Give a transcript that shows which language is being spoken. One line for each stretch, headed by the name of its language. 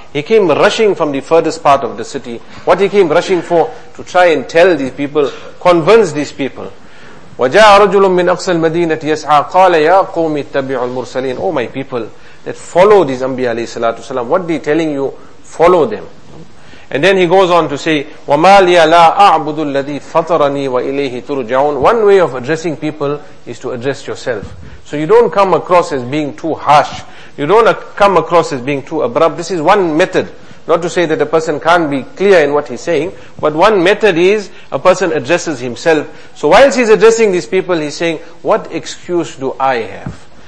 English: He came rushing from the furthest part of the city. What he came rushing for? To try and tell these people, convince these people.
Arabic: وَجَاءَ رَجُلٌ مِّنْ أَقْصَى الْمَدِينَةِ يَسْعَى قَالَ يَا قَوْمِ اتَّبِعُوا الْمُرْسَلِينَ.
English: Oh my people, that follow these Anbiya alayhi salatu wasalam. What they telling you? Follow them. And then he goes on to say,
Arabic: وَمَا لِيَ لَا أَعْبُدُ الَّذِي فَطَرَنِي وَإِلَيْهِ تُرْجَعُونَ.
English: One way of addressing people is to address yourself. So you don't come across as being too harsh. You don't come across as being too abrupt. This is one method. Not to say that a person can't be clear in what he's saying, but one method is a person addresses himself. So whilst he's addressing these people, he's saying, what excuse do I have?